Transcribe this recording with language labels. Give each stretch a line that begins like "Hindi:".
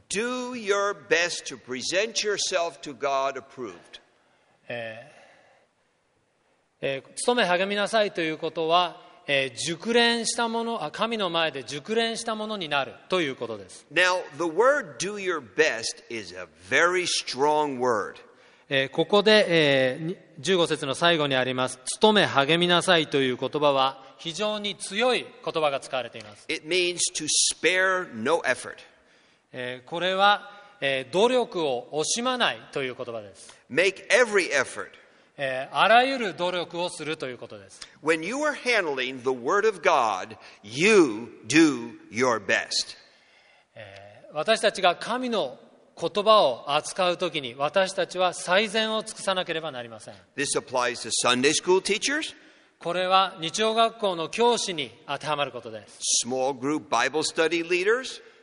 English: Do your best to present yourself to God approved.
Japanese: 努め励みなさいということは、熟練したもの、神の前で熟練したものになるということです。
English: Now the word do your best is a very strong word.
Japanese: ここで15節の最後にあります努め励みなさいという言葉は非常に強い言葉が使われています。
English: It means to spare no effort.
Japanese: これは努力を惜しまないという言葉です。
English: Make every effort.
Japanese: あらゆる努力をするということです。
English: When you are handling the word of God, you do your best.
Japanese: 私たちが神の言葉を扱うときに私たちは最善を尽くさなければなりません。
English: This applies to Sunday school teachers.
Japanese: これは日曜学校の教師に当てはまることです。
English: Small group Bible study leaders.